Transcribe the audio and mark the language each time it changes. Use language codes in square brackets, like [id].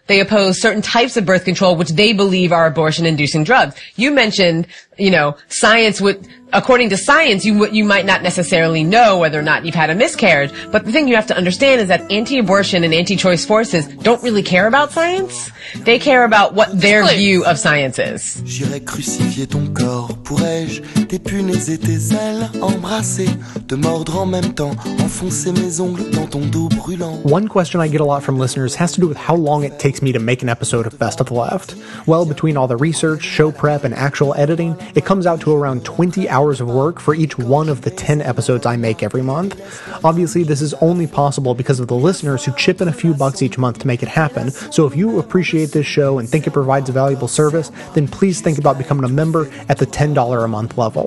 [en] They oppose certain types of birth control, which they believe are abortion-inducing drugs. You mentioned, you know, science would, according to science, you might not necessarily know whether or not you've had a miscarriage. But the thing you have to understand is that anti-abortion and anti-choice forces don't really care about science. They care about what their view of science is. [fr] J'irai crucifier ton corps, pourrais-je t'épuner et tes ailes, embrasser, te mordre en même temps, enfoncer mes ongles dans ton dos brûlant. [en] One question I get a lot from listeners has to do with how long it takes me to make an episode of Best of the Left. Well, between all the research, show prep, and actual editing, it comes out to around 20 hours of work for each one of the 10 episodes I make every month. Obviously, this is only possible because of the listeners who chip in a few bucks each month to make it happen, so if you appreciate this show and think it provides a valuable service, then please think about becoming a member at the $10 a month level.